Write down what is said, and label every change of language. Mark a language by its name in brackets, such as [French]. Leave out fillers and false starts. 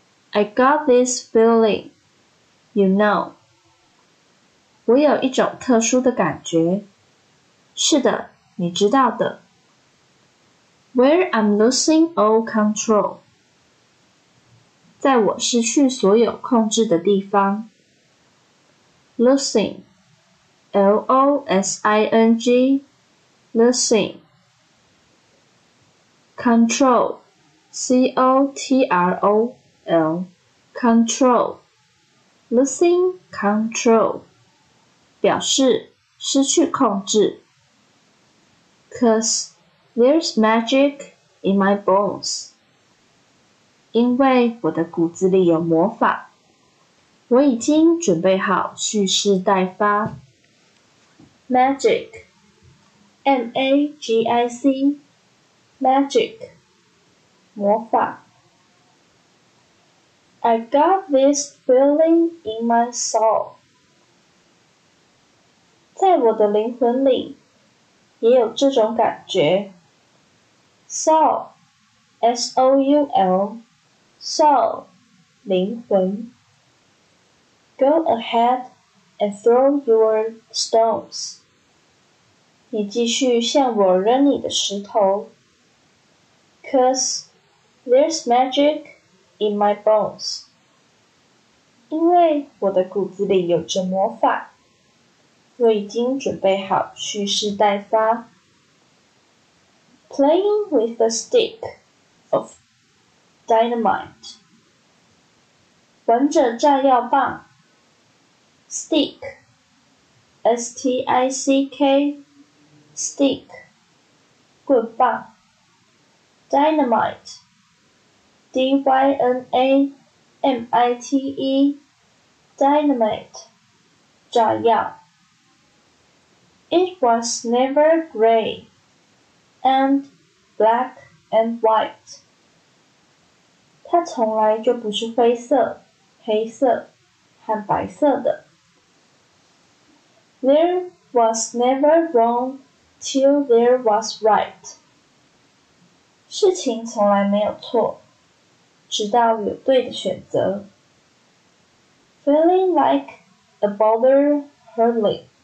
[English] I got this feeling, you know. [Chinese] 我有一种特殊的感觉。是的，你知道的。 [English] Where I'm losing all control. [Chinese] 在我失去所有控制的地方。 [English] Losing, L-O-S-I-N-G, losing. Control, C-O-T-R-O-L. Control, losing control, [Chinese] 表示失去控制。 [English] Cause there's magic in my bones. [Chinese] 因为我的骨子里有魔法。我已经准备好蓄势待发。 [English] Magic, M-A-G-I-C, magic, 魔法。 I got this feeling in my soul. [Chinese] 在我的灵魂里也有这种感觉。 [English] Soul, S-O-U-L, soul, 灵魂。 Go ahead and throw your stones. [Chinese] 你继续向我扔你的石头。 [English] Cause there's magic. In my bones. [Chinese] 因为我的骨子里有着魔法。我已经准备好蓄势待发。 [English] Playing with a stick of dynamite. [Chinese] 玩着炸药棒。Stick. [English] S-T-I-C-K. Stick. 棍棒。Dynamite. D-Y-N-A-M-I-T-E, dynamite, 炸药。 It was never gray and black and white. [Chinese] 它从来就不是灰色、黑色和白色的。 [English] There was never wrong till there was right. [Chinese] 事情从来没有错。直到有对的选择。 [English] Feeling like a boulder hurtling.